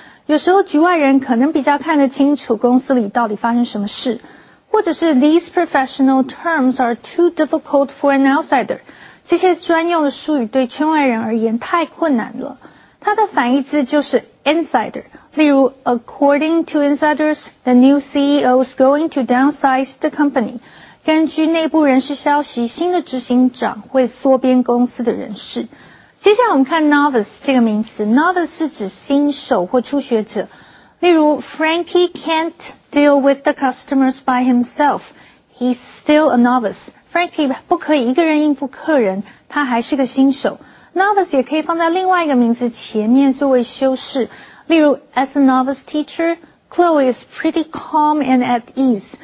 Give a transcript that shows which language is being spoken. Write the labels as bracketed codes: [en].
[zh] 有时候局外人可能比较看得清楚公司里到底发生什么事。或者是 [en] these professional terms are too difficult for an outsider. [zh] 这些专用的术语对圈外人而言太困难了。它的反义字就是 [en] insider, [zh] 例如 [en] according to insiders, the new CEO is going to downsize the company. [zh] 根据内部人士消息，新的执行长会缩编公司的人事。接下来我们看 novice 这个名词， novice 是指新手或初学者。例如 [en] Frankie can't deal with the customers by himself, he's still a novice. [zh] Frankie 不可以一个人应付客人，他还是个新手。 Novice 也可以放在另外一个名词前面作为修饰，例如 [en] As a novice teacher, Chloe is pretty calm and at ease.